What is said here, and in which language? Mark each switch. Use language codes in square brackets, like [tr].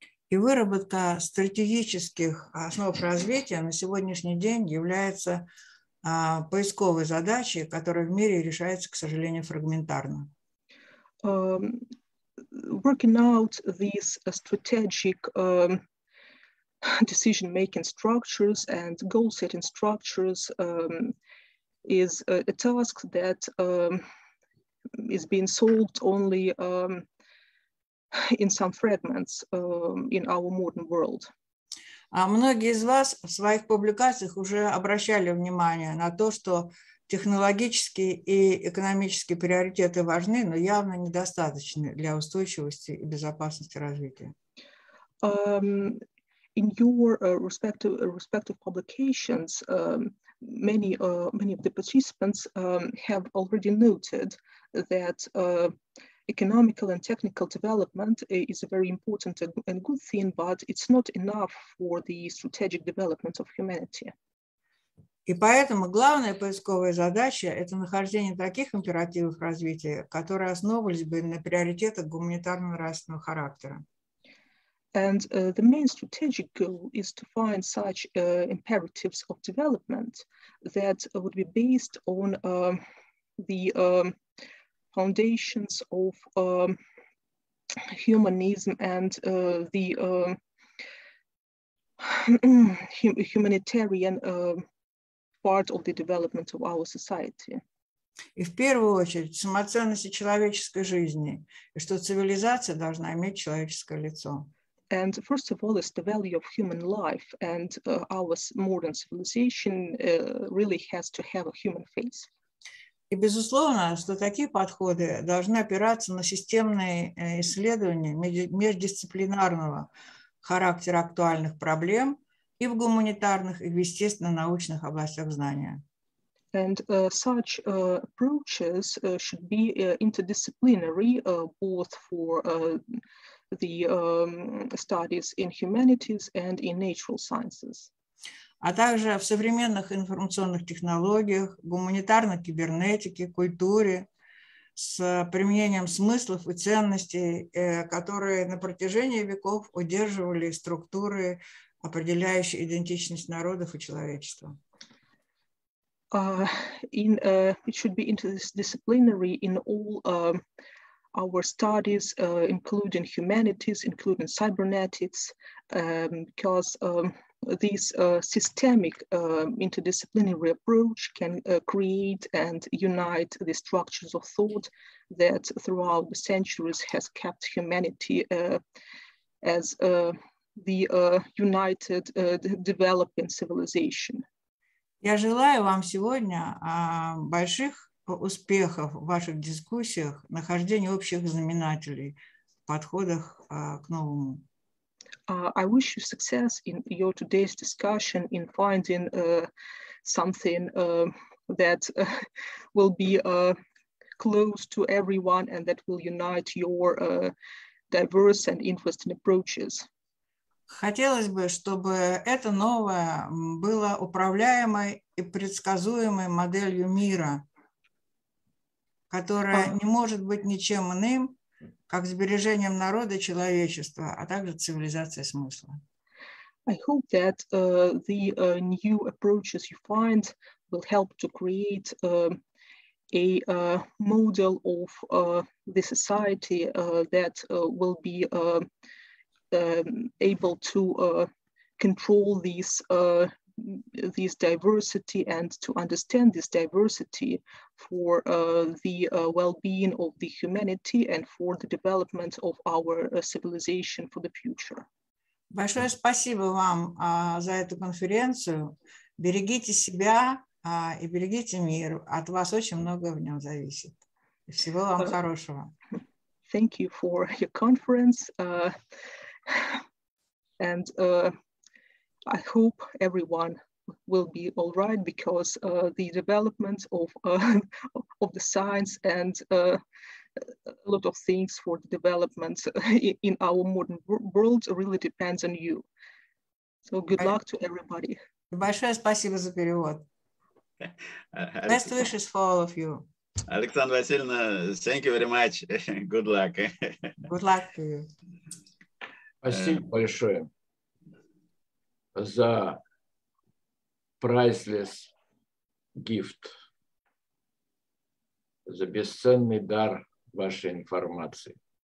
[ru] И выработка стратегических основ развития на сегодняшний день является поисковой задачей, которая в мире решается, к сожалению, фрагментарно. [en] Working out these strategic decision-making structures and goal-setting structures is a task that is being solved only in some fragments in our modern world. [ru] Многие из вас в своих публикациях уже обращали внимание на то, что технологические и экономические приоритеты важны, но явно недостаточны для устойчивости и безопасности развития. [en] In your respective publications, many of the participants have already noted that economical and technical development is a very important and good thing, but it's not enough for the strategic development of humanity. [ru] И поэтому главная поисковая задача – это нахождение таких императивов развития, которые основывались бы на приоритетах гуманитарного и нравственного характера. [en] And the main strategic goal is to find such imperatives of development that would be based on the foundations of humanism and the humanitarian part of the development of our society. [ru] И в первую очередь самоценности человеческой жизни, и что цивилизация должна иметь человеческое лицо. [en] And first of all, it's the value of human life, and our modern civilization really has to have a human face. [ru] И безусловно, что такие подходы должны опираться на системные исследования междисциплинарного характера актуальных проблем и в гуманитарных, и в естественно-научных областях знания. [en] And such approaches should be interdisciplinary, both for the studies in humanities and in natural sciences. [ru] А также в современных информационных технологиях, гуманитарной кибернетике, культуре, с применением смыслов и ценностей, которые на протяжении веков удерживали структуры, определяющие идентичность народов и человечества. [en] It should be interdisciplinary in all our studies, including humanities, including cybernetics, because this systemic interdisciplinary approach can create and unite the structures of thought that throughout the centuries has kept humanity as the united developing civilization. [ru] Я желаю вам сегодня больших успехов в ваших дискуссиях, нахождения общих знаменателей в подходах к новому. [en] I wish you success in your today's discussion in finding something that will be close to everyone and that will unite your diverse and interesting approaches. [ru] Хотелось бы, чтобы это новое было управляемой и предсказуемой моделью мира, которая не может быть ничем иным, как сбережением народа человечества, а также цивилизации смысла. [en] I hope that the new approaches you find will help to create a model of the society that will be able to control this diversity and to understand this diversity for the well-being of the humanity and for the development of our civilization for the future. [ru] Большое спасибо вам за эту конференцию. Берегите себя и берегите мир. От вас очень многое в нем зависит. Всего вам хорошего. [en] Thank you for your conference. And I hope everyone will be all right because the development of the science and a lot of things for the development in our modern world really depends on you. So good luck to everybody. [ru] Большое спасибо за перевод. [en] Best wishes for all of you. Alexandra Vasilyevna, thank you very much. Good luck. Good luck to you. [ru] Спасибо большое за [en] priceless gift, [ru] за бесценный дар вашей информации.